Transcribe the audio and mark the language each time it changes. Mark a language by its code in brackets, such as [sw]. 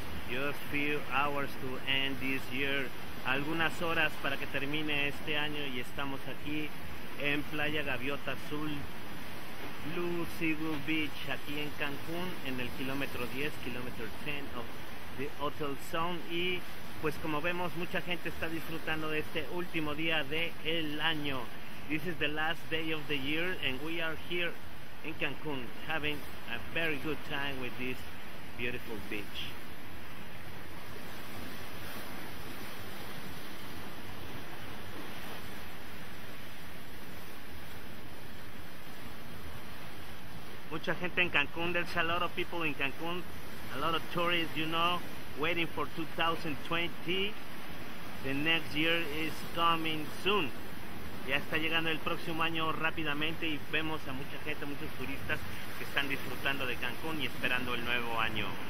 [en] Just few hours to end this year. [es] Algunas horas para que termine este año y estamos aquí en Playa Gaviota Azul, Lucigu Beach, aquí en Cancún, en el kilómetro 10, kilómetro 10 [en] of the Hotel Zone. [es] Y pues como vemos, mucha gente está disfrutando de este último día del año. [en] This is the last day of the year and we are here in Cancún having a very good time with this beautiful beach. [es] Mucha gente en Cancún, [en] there's a lot of people in Cancún, a lot of tourists, you know, waiting for 2020. The next year is coming soon. [es] Ya está llegando el próximo año rápidamente y vemos a mucha gente, muchos turistas que están disfrutando de Cancún y esperando el nuevo año.